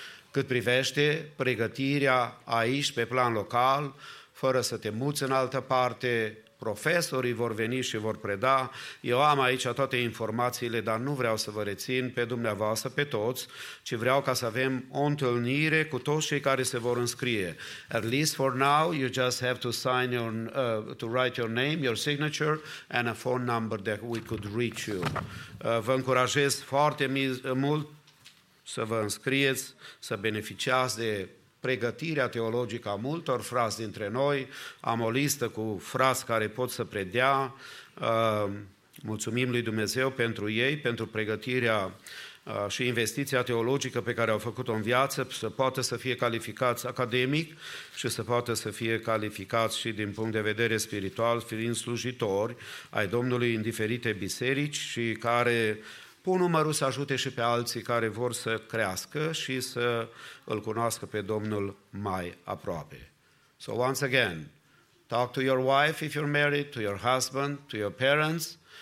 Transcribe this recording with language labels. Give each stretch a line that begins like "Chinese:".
Romanian: Cât privește pregătirea aici, pe plan local, fără să te muți în altă parte, profesorii vor veni și vor preda. Eu am aici toate informațiile, dar nu vreau să vă rețin pe dumneavoastră, pe toți, ci vreau ca să avem o întâlnire cu toți cei care se vor înscrie.
English: At least for now, you just have to sign your, to write your name, your signature, and a phone number that we could reach you.
Romanian: Vă încurajez foarte mult să vă înscrieți, să beneficiați de pregătirea teologică a multor frați dintre noi. Am o listă cu frați care pot să predea. Mulțumim lui Dumnezeu pentru ei, pentru pregătirea și investiția teologică pe care au făcut-o în viață să poată să fie calificați academic și să poată să fie calificați și din punct de vedere spiritual, fiind slujitori ai Domnului în diferite biserici și care pun numărul să ajute și pe alții care vor să crească și să îl cunoască pe Domnul mai aproape.
English: So once again, talk to your wife if you're married, to your husband, to your parents.